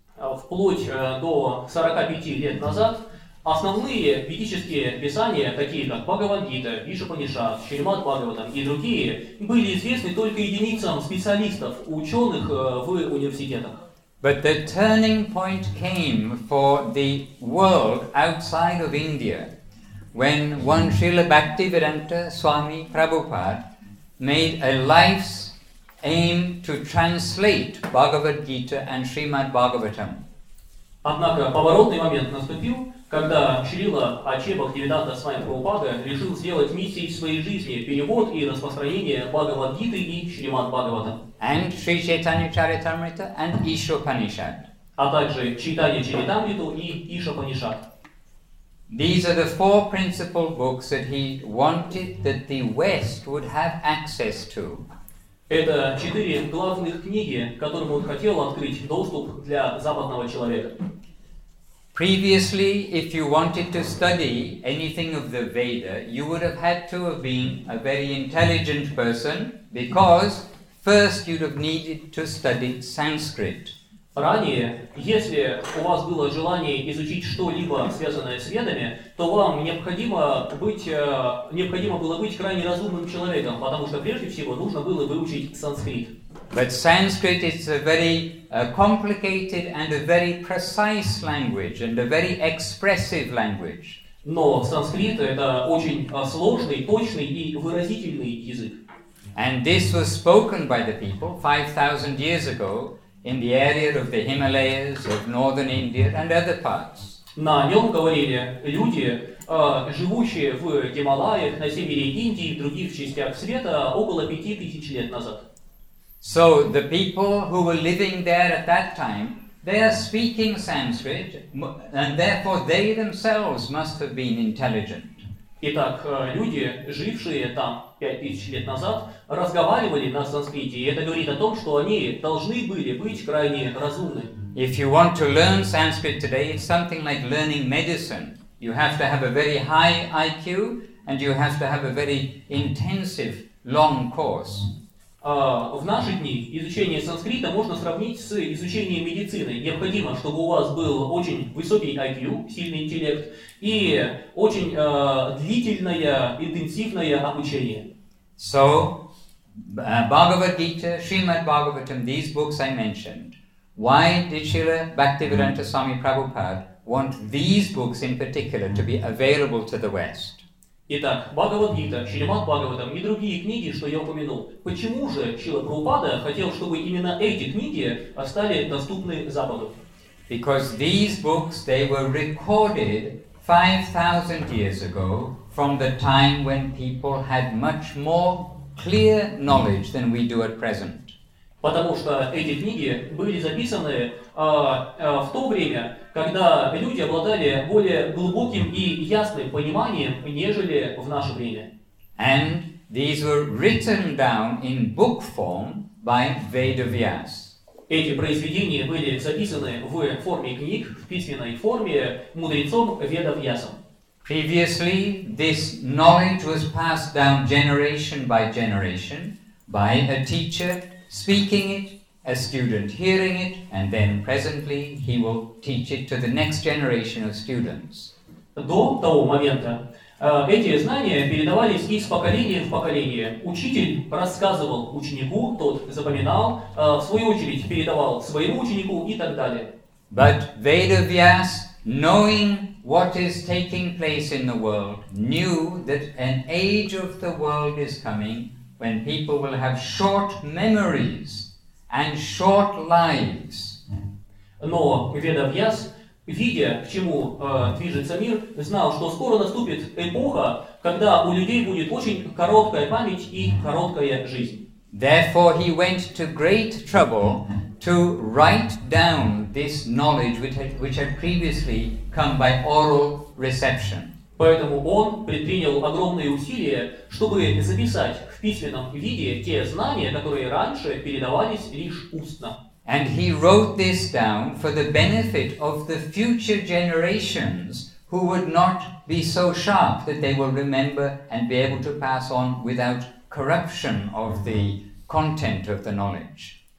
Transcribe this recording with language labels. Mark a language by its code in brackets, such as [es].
[ru] Вплоть до 45 лет назад основные ведические писания, такие как Бхагавад-гита, Ишопанишад, Шримад-Бхагаватам и другие, были известны только единицам специалистов, ученых в университетах. [en] But the turning point came for the world outside of India when one Srila Bhaktivedanta Swami Prabhupada made a life's aim to translate Bhagavad-gita and Srimad-Bhagavatam. [ru] Однако поворотный момент наступил, когда Шрила Ачеба Бхактивиданта Свами Прабхупада решил сделать миссией своей жизни перевод и распространение Бхагавад-гиты и Шримад Бхагавата. [en] And Шри Чайтанья Чаритамрита and Ишопанишад. [ru] А также Чайтанья Чаритамриту и Ишопанишад. [en] These are the four principal books that he wanted that the West would have access to. [ru] Это четыре главных книги, которым он хотел открыть доступ для западного человека. [en] Previously, if you wanted to study anything of the Veda, you would have had to have been a very intelligent person, because first you'd have needed to study Sanskrit. [ru] Ранее, если у вас было желание изучить что-либо, связанное с ведами, то вам необходимо было быть крайне разумным человеком, потому что прежде всего нужно было выучить санскрит. [en] But Sanskrit is a very complicated and a very precise language and a very expressive language. [ru] Но санскрит – это очень сложный, точный и выразительный язык. [en] And this was spoken by the people 5,000 years ago in the area of the Himalayas, of northern India, and other parts. [ru] На нем говорили люди, живущие в Гималаях, на севере Индии, в других частях света, около 5000 лет назад. [en] So the people who were living there at that time, they are speaking Sanskrit, and therefore they themselves must have been intelligent. [ru] Итак, люди, жившие там 5000 лет назад, разговаривали на санскрите, и это говорит о том, что они должны были быть крайне разумны. [en] If you want to learn Sanskrit today, it's something like learning medicine. You have to have a very high IQ, and you have to have a very intensive long course. [ru] В наши дни изучение санскрита можно сравнить с изучением медицины. Необходимо, чтобы у вас был очень высокий IQ, сильный интеллект, и очень длительное, интенсивное обучение. [en] So, Bhagavad Gita, Srimad Bhagavatam, these books I mentioned. Why did Srila Bhaktivedanta Swami Prabhupada want these books in particular to be available to the West? [ru] Итак, Бхагавад-гита, Шримад-Бхагаватам и другие книги, что я упомянул. Почему же Шрила Прабхупада хотел, чтобы именно эти книги стали доступны Западу? [en] Because these books, they were recorded 5,000 years ago from the time when people had much more clear knowledge than we do at present. [ru] Потому что эти книги были записаны в то время, когда люди обладали более глубоким и ясным пониманием, нежели в наше время. [en] And these were written down in book form by Vedavyas. [ru] Эти произведения были записаны в форме книг, в письменной форме, мудрецом Ведавьясом. [en] Previously, this knowledge was passed down generation by a teacher speaking it, a student hearing it, and then presently he will teach it to the next generation of students. [ru] До того момента эти знания передавались из поколения в поколение. Учитель рассказывал ученику, тот запоминал, в свою очередь передавал своему ученику и так далее. [en] But Vedavyas, knowing what is taking place in the world, knew that an age of the world is coming when people will have short memories and short lives. [ru] Но Ведавьяс, видя, к чему движется мир, знал, что скоро наступит эпоха, когда у людей будет очень короткая память и короткая жизнь. [en] Therefore, he went to great trouble to write down this knowledge which had previously come by oral reception. [ru] Поэтому он предпринял огромные усилия, чтобы записать в письменном виде те знания, которые раньше передавались лишь устно. [en] And he wrote this down for the benefit of the future generations who would not be so sharp that they will remember and be able to pass on without corruption of the content of the knowledge.